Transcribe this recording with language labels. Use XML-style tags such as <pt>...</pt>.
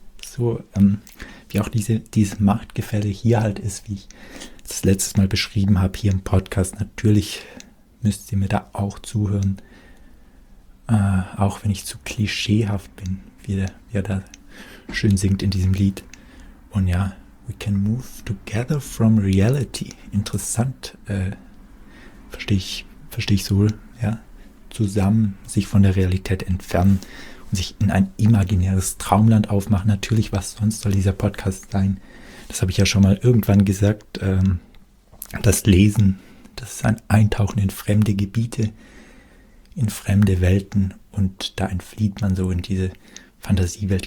<de>So, wie auch dieses Machtgefälle hier halt ist, wie ich das letztes Mal beschrieben habe hier im Podcast. Natürlich müsst ihr mir da auch zuhören, auch wenn ich zu klischeehaft bin, wie er da schön singt in diesem Lied. Und ja,</de> <en>we can move together from reality.</en> <de>Interessant, verstehe ich so, ja, zusammen sich von der Realität entfernen. Sich in ein imaginäres Traumland aufmachen. Natürlich, was sonst soll dieser Podcast sein? Das habe ich ja schon mal irgendwann gesagt. Das Lesen, das ist ein Eintauchen in fremde Gebiete, in fremde Welten und da entflieht man so in diese Fantasiewelt.</de>